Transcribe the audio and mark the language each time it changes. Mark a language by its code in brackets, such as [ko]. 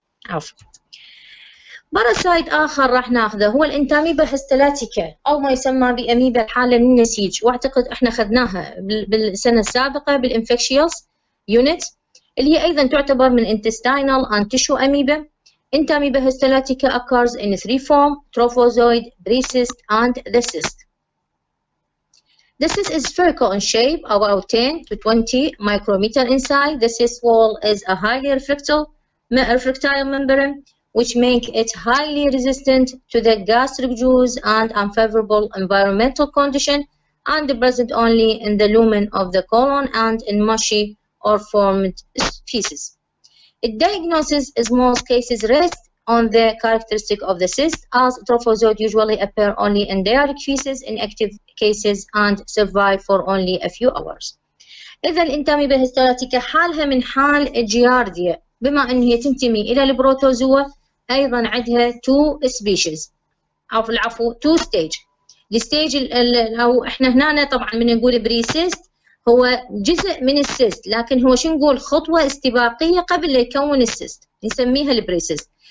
[ar] عفوا. باراسايت آخر راح ناخذه هو الانتاميبا هستلاتيكا أو ما يسمى بأميبا الحالة من النسيج، وأعتقد إحنا خذناها بالسنة السابقة بالإنفكشيوس يونت، اللي هي أيضا تعتبر من انتستاينال أنتشو أميبا. [en] Entamoeba histolytica occurs in three forms: trophozoid, bricist, and the cyst. The cyst is spherical in shape, about 10 to 20 micrometer inside. The cyst wall is a highly reflectile membrane, which makes it highly resistant to the gastric juice and unfavorable environmental condition, and present only in the lumen of the colon and in mushy or formed feces. The diagnosis is most cases rest on the characteristic of the cyst, as trophozoite usually appear only in diarrheic feces in active cases and survive for only a few hours. [ar] إذا الانتاميبا هستلاتيكا حالها من حال الجياردية، بما أن هي تنتمي إلى البروتوزوا، أيضا عندها [en] two species، [ar] العفو [en] two stage. [ar] الstage أو إحنا هنا طبعا من نقول بريسيست هو جزء من السيست، لكن هو شو نقول خطوة استباقية قبل لا يكون السيست، نسميها البريسيست.